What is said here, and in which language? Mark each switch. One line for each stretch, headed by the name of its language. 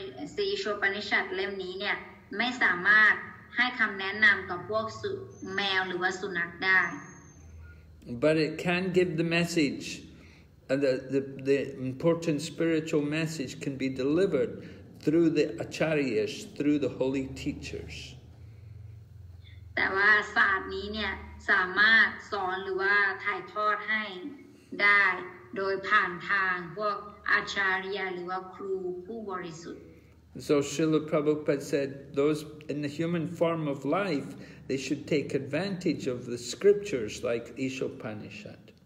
Thai: Sri Ishopanishad, เล่มนี้เนี่ยไม่สามารถให้คำแนะนำกับพวกแมวหรือว่าสุนัขได้
English: But it can give the message, the important spiritual message can be delivered through the acharyas, through the holy teachers.
Thai: แต่ว่าศาสตร์นี้เนี่ยสามารถสอนหรือว่าถ่ายทอดให้ได้โดยผ่านทางพวกอาจารย์หรือว่าครูผู้บริสุทธิ์
English: So Srila Prabhupada said those in the human form of life they should take advantage of the scriptures like Ishopanishad